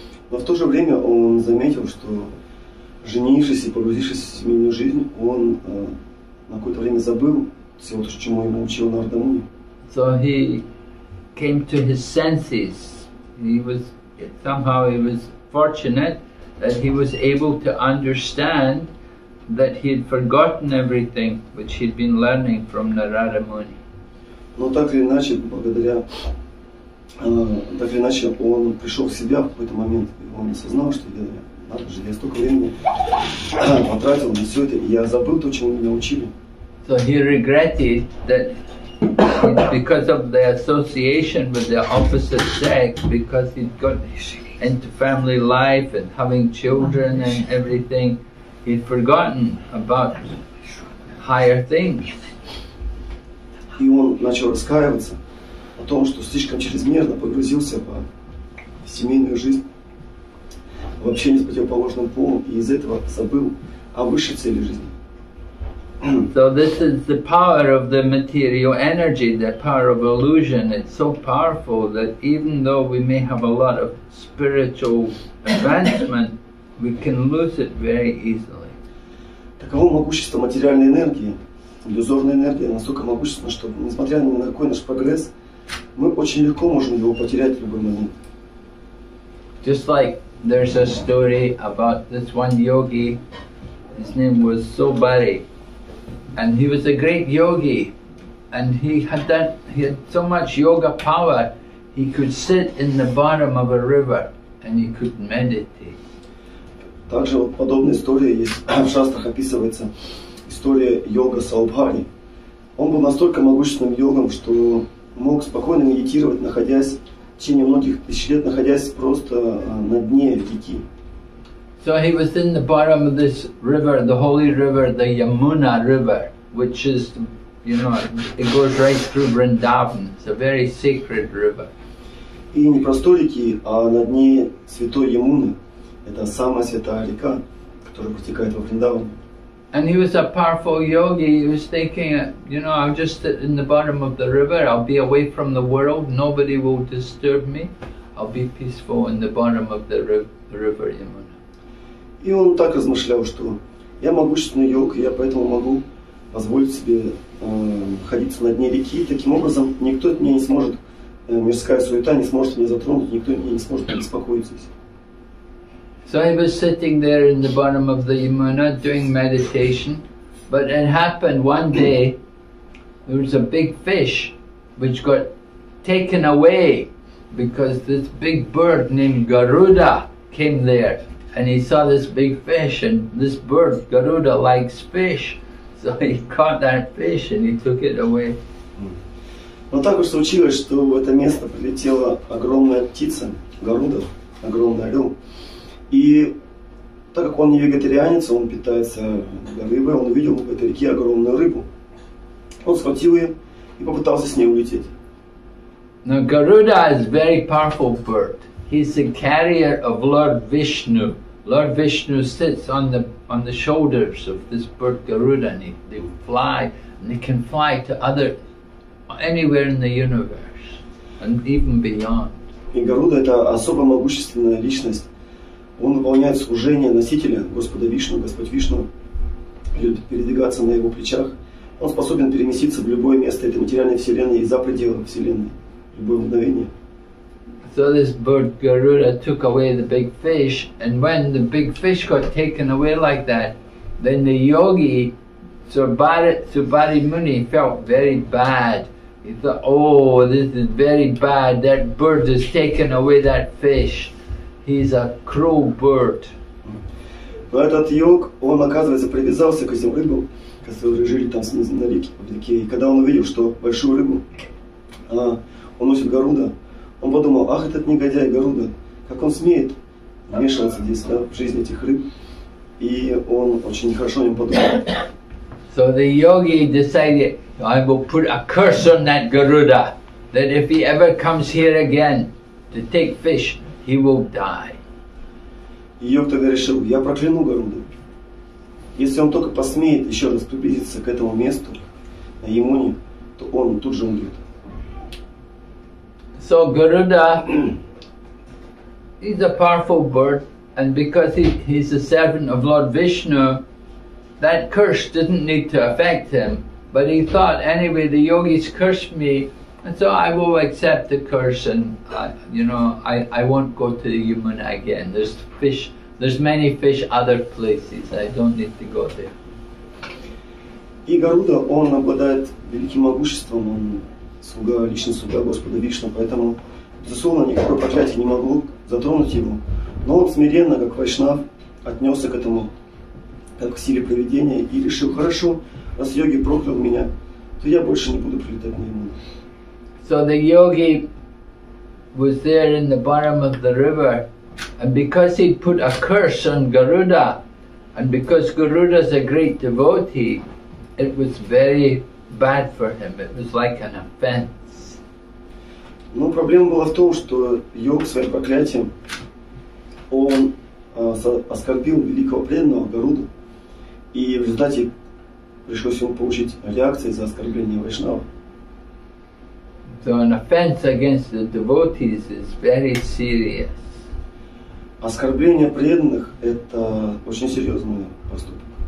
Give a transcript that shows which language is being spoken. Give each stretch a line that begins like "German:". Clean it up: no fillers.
Russian: Но в то же время он заметил, что женившись и погрузившись в семейную жизнь, он на какое-то время забыл всего то, чему ему учил Нарада Муни.
English: So he came to his senses. Somehow he was fortunate that he was able to understand that he had forgotten everything which he'd been learning from Narada Muni.
Russian: Но так или иначе, благодаря так или иначе, он пришел в себя в какой-то момент, и он осознал, что я столько времени потратил на все это, и я забыл то, чему меня учили.
English: So he regretted that because of the association with the opposite sex, because he'd got into family life and having children and everything, he'd forgotten about higher things.
Russian: И он начал раскаиваться о том, что слишком чрезмерно погрузился в семейную жизнь, в общение с противоположным полом, и из этого забыл о высшей цели жизни.
English: So this is the power of the material energy, the power of illusion. It's so powerful that even though we may have a lot of spiritual advancement, we can lose it very easily.
Russian: Таково могущество материальной энергии, иллюзорной энергии, настолько могущественно, что несмотря ни на какой наш прогресс, мы очень легко можем его потерять в любой момент.
English: Just like there's a story about this one yogi, his name was Sobari. And he was a great yogi, and he had so much yoga power, he could sit in the bottom of a river and he could meditate.
Russian: Также вот подобная история есть, в шастрах описывается история йога Саубхари. Он был настолько могущественным йогом, что мог спокойно медитировать, находясь в течение многих тысяч лет, находясь просто на дне реки.
English: So he was in the bottom of this river, the holy river, the Yamuna river, which is, you know, it goes right through Vrindavan. It's a very sacred river.
Russian: И не просто реки, а на дне святой Ямуны. Это самая святая река, которая протекает во Вриндаван.
English: And he was a powerful yogi. He was thinking, you know, I'm just in the bottom of the river. I'll be away from the world. Nobody will disturb me. I'll be peaceful in the bottom of the river Yamuna.
Russian: И он так размышлял, что я могущественный йог, и я поэтому могу позволить себе находиться на дне реки, и таким образом никто меня не сможет, мирская суета не сможет меня затронуть, никто меня не сможет беспокоить здесь.
English: So he was sitting there in the bottom of the Yamuna doing meditation, but it happened one day, there was a big fish which got taken away because this big bird named Garuda came there and he saw this big fish, and this bird, Garuda, likes fish. So he caught that fish and he took it away.
Russian: Но так уж случилось, что в это место прилетела огромная птица, Гаруда, огромный орел. И так как он не вегетарианец, он питается рыбой, он увидел в этой реке огромную рыбу. Он схватил ее и попытался с ней улететь.
English: Garuda is a very powerful bird. He's the carrier of Lord Vishnu. Lord Vishnu sits on the shoulders of this bird Garuda, and they fly, and they can fly to other anywhere in the universe and even beyond.
Russian: И Гаруда это особо могущественная личность. Он выполняет служение носителя Господа Вишну. Господь Вишну любит передвигаться на его плечах. Он способен переместиться в любое место этой материальной вселенной и за пределы вселенной в любое мгновение.
English: So this bird Garuda took away the big fish, and when the big fish got taken away like that, then the yogi Subhadimuni felt very bad. He thought, oh, this is very bad, that bird has taken away that fish. He's a cruel bird.
Russian: Но этот йог, он, оказывается, привязался к этим рыбам, которые жили там снизу на реке. И когда он увидел, что большую рыбу уносит Гаруда, он подумал, ах, этот негодяй Гаруда, как он смеет вмешиваться здесь, да, в жизнь этих рыб. И он очень хорошо о нем подумал.
English: So the yogi decided, I will put a curse on that Garuda, that if he ever comes here again to take fish, he will die.
Russian: Йог тогда решил, я прокляну Гаруду. Если он только посмеет еще раз приблизиться к этому месту, на Ямуне, то он тут же умрет.
English: So Garuda, he's a powerful bird, and because he's a servant of Lord Vishnu, that curse didn't need to affect him, but he thought, anyway, the yogis cursed me, and so I will accept the curse, and I won't go to the Yamuna again. There's fish, there's many fish other places, I don't need to go there.
Russian: И Гаруда, он обладает великим могуществом, он слуга, личный слуга Господа Вишну, поэтому, безусловно, никакое проклятие не могло затронуть его. Но он смиренно, как вайшнав, отнесся к этому, как в силе провидения, и решил, хорошо, раз йоги проклял меня, то я больше не буду прилетать на ему.
English: So the yogi was there in the bottom of the river, and because he put a curse on Garuda, and because Garuda is a great devotee, it was very bad for him, it was like an offense.
Russian: Но проблема была в том, что йог своим проклятием, он оскорбил великого преданного Гаруду. И в результате пришлось ему получить реакции за оскорбление вайшнава.
English: So an offense against the devotees is very serious.
Russian: Оскорбление преданных – это очень серьезный поступок.